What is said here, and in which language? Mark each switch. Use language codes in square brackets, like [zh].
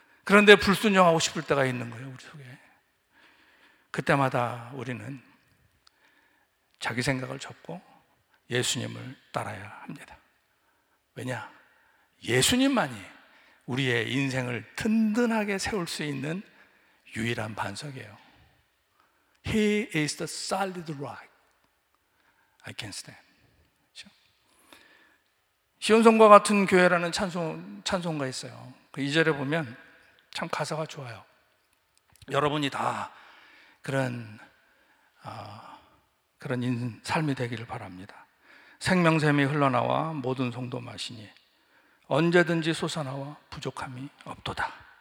[ko] 그런데 불순종하고 싶을 때가 있는 거예요, 우리 속에. 그때마다 우리는 자기 생각을 접고 예수님을 따라야 합니다. 왜냐? 예수님만이 우리의 인생을 든든하게 세울 수 있는 유일한 반석이에요. [en] He is the solid rock I can stand. [ko] 시온성과 같은 교회라는 찬송가 있어요. 그 2절에 보면 참 가사가 좋아요. 여러분이 다 그런 삶이 되기를 바랍니다. 생명샘이 흘러나와 모든 성도 마시니 언제든지 솟아나와 부족함이 없도다.